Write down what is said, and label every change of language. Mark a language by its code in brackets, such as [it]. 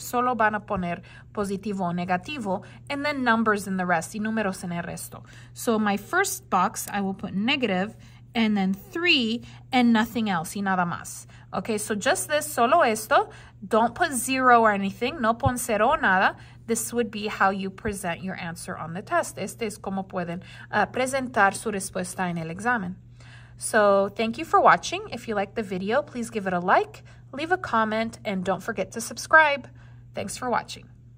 [es] Solo van a poner positivo o negativo, [en] and then numbers in the rest, [es] y números en el resto. [en] So my first box, I will put negative, and then 3, and nothing else, [es] y nada más. [en] Okay, so just this, [es] solo esto. [en] Don't put 0 or anything. [es] No pon 0 o nada. [en] This would be how you present your answer on the test. Este es como pueden presentar su respuesta en el examen. So thank you for watching. If you liked the video, please give it a like, leave a comment, and don't forget to subscribe. Thanks for watching.